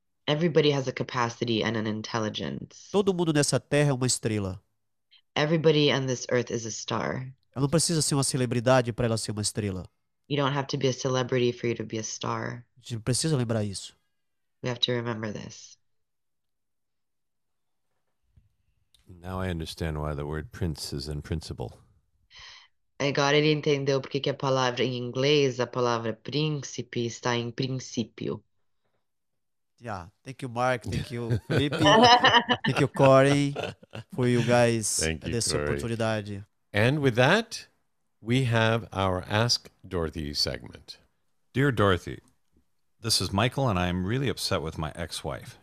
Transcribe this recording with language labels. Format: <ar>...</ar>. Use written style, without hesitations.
<en>Everybody has a capacity and an intelligence.</en> <pt>Todo mundo nessa terra é uma estrela.</pt> <en>Everybody on this earth is a star.</en> <pt>Ela não precisa ser uma celebridade para ela ser uma estrela.</pt> <en>You don't have to be a celebrity for you to be a star.</en> <pt>A gente precisa lembrar isso.</pt> <en>We have to remember this. Now I understand why the word prince is in principle.</en> <pt>Agora ele entendeu por que que a palavra em inglês, a palavra príncipe, está em princípio.</pt> <en>Yeah, thank you, Mark. Thank you, Felipe. Thank you, Corey, for you guys Thank you,</en> <pt>dessa</pt> <en>Corey.</en> <pt>oportunidade.</pt> <en>And with that, we have our Ask Dorothy segment. Dear Dorothy, this is Michael, and I am really upset with my ex-wife.</en>